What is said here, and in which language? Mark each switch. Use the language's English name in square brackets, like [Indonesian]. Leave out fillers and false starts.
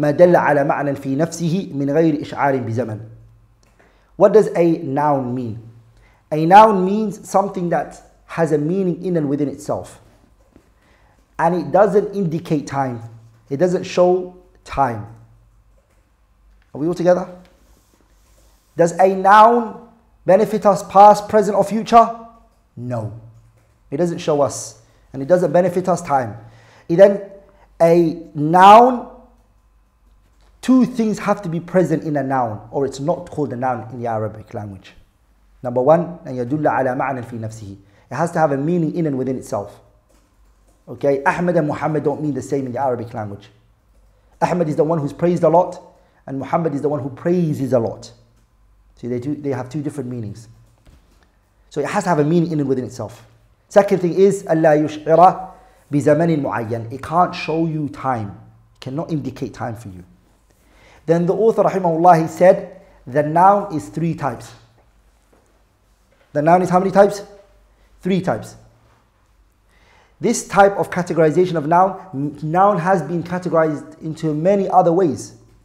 [Arabic] ما دل على معنى في نفسه من غير إشعار بزمن. [English] What does a noun mean? A noun means something that has a meaning in and within itself. And it doesn't indicate time. It doesn't show time. Are we all together? Does a noun benefit us past, present, or future? No. It doesn't show us. And it doesn't benefit us time. Then a noun, two things have to be present in a noun, or it's not called a noun in the Arabic language. Number one, [Arabic] أن يدل على معنى في نفسه. [English] It has to have a meaning in and within itself. Okay, Ahmed and Muhammad don't mean the same in the Arabic language. Ahmed is the one who's praised a lot, and Muhammad is the one who praises a lot. See, they have two different meanings. So it has to have a meaning in and within itself. Second thing is, [Arabic] ألا يشعر بزمن معين. [English] It can't show you time. It cannot indicate time for you. Then the author, rahimahullah, he said, the noun is three types. The noun is how many types? Three types. This type of categorization of noun has been categorized into many other ways.